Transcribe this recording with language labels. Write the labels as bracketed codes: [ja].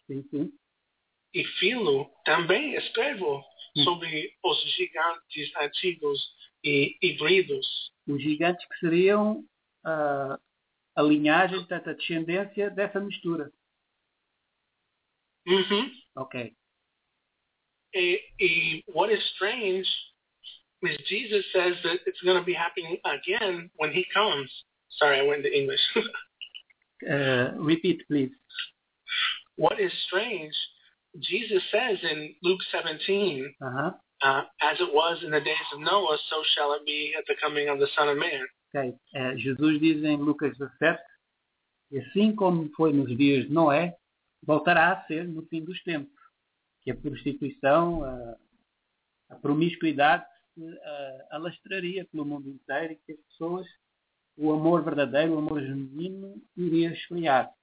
[pt] sim, sim, e Filo também escrevem sobre os gigantes antigos e híbridos. Os gigantes que seriam a linhagem, portanto, a descendência dessa mistura. Uhum. Ok. [en] E what is strange is Jesus says that it's going to be happening again when he comes. Sorry, I went to English. repeat, please. What is strange, Jesus says in Luke 17, uh-huh, as it was in the days of Noah, so shall it be at the coming of the Son of Man. Okay. [pt] Jesus diz em Lucas 17, e assim como foi nos dias de Noé, voltará a ser no fim dos tempos. Que a prostituição, a promiscuidade se alastraria pelo mundo inteiro e que as pessoas, o amor verdadeiro, o amor genuíno, iria esfriar.